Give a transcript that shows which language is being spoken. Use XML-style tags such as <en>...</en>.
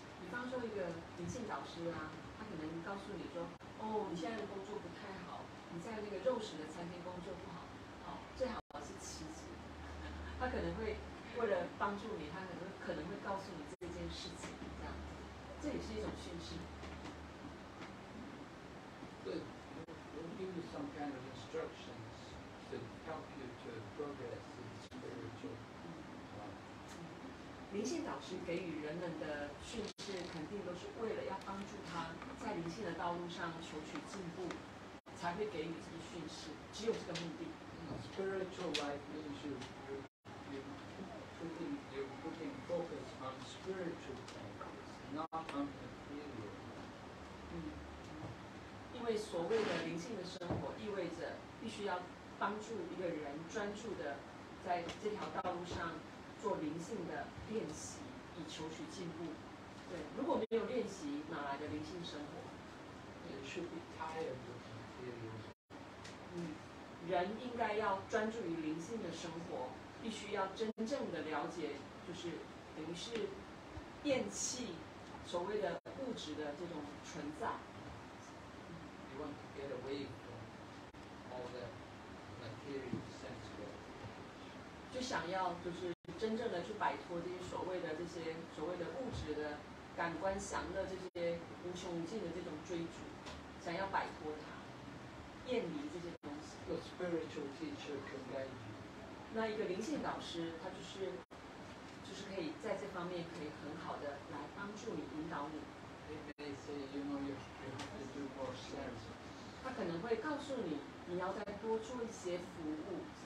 <zh>比方说一个灵性导师啊，他可能告诉你说，哦，你现在的工作不太好，你在那个肉食的餐厅工作不好，哦，最好是辞职。他可能会为了帮助你，他可能会告诉你这件事情，这样子，这也是一种讯息。</zh> <en>Good. We'll give you some kind of instructions to help you to progress in spiritual.</en> <zh>灵性导师给予人们的讯息肯定都是为了要帮助他在灵性的道路上求取进步，才会给予这个训示，只有这个目的。</zh> <en>Spiritual life means you're putting focus on spiritual things, not on material.</en> <zh>因为所谓的灵性的生活，意味着必须要帮助一个人专注的在这条道路上做灵性的练习，以求取进步。对，如果没有练习，哪来的灵性生活？人是不太有这种自由。人应该要专注于灵性的生活，必须要真正的了解，就是等于是厌弃所谓的物质的这种存在。</zh> <en>You want to get away from all the material sense world.</en> <zh>就想要就是真正的去摆脱这些所谓的物质的。感官享乐这些无穷无尽的这种追逐，想要摆脱它，厌离这些东西。</zh> <en>The spiritual teacher can guide you.</en> <zh>那一个灵性导师，他就是可以在这方面可以很好的来帮助你，引导你。</zh> <en>He may say, you know, you have to do more service.</en> <zh>他可能会告诉你，你要再多做一些服务。</zh>